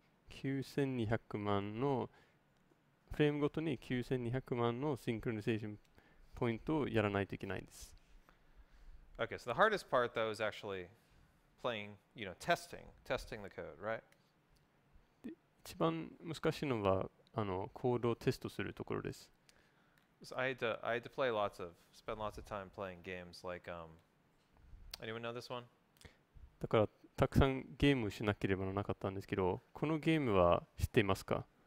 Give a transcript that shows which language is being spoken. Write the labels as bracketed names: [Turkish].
[Japanese] 9200万のフレームごとに9200万のシンクロニゼーションポイントをやらないといけないんです。 [English] Okay, so the hardest part though is actually playing, you know, testing the code, right? [Japanese] 一番難しいのはコードをテストするところです。 [English] So I had to play spend lots of time playing games like, anyone know this one? [Japanese] だからたくさんゲームしなければならなかったんですけど、このゲームは知っていますか？